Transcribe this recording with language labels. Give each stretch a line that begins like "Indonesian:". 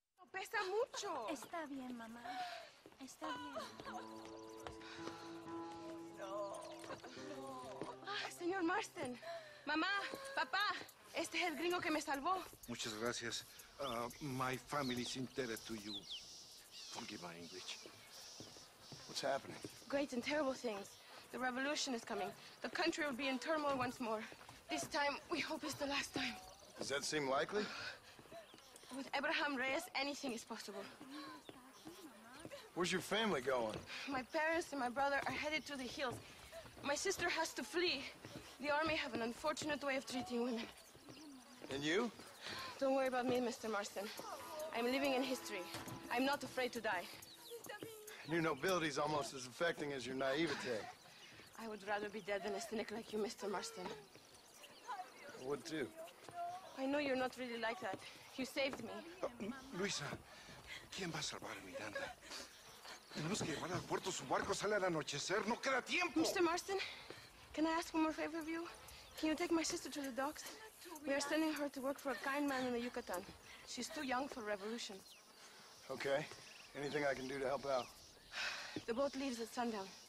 Spanish: ¡Pesa mucho! Está bien, mamá. Está bien. No. Señor Marston. Mamá, papá, este es el gringo que me salvó. Muchas gracias.
English: My family's indebted to you. Forgive my English. What's happening? Great and terrible things. The revolution is coming. The country will be in turmoil once more. This time, we hope it's the last time. Does that seem likely? With Abraham Reyes, anything is possible. Where's your family going? My parents and my brother are headed to the hills. My sister has to flee. The army have an unfortunate way of treating women. And you? Don't worry about me, Mr. Marston. I'm living in history. I'm not afraid to die. Your nobility's almost as affecting as your naivete. I would rather be dead than a cynic like you, Mr. Marston. I would too. I know you're not really like that. You saved me.
Spanish: Luisa, ¿quién va a salvar a Miranda? Tenemos que llevar al puerto. Su barco sale al anochecer. ¡No queda tiempo!
English: Mr. Marston, can I ask one more favor of you? Can you take my sister to the docks? We are sending her to work for a kind man in the Yucatan. She's too young for revolution. Okay. Anything I can do to help out? The boat leaves at sundown.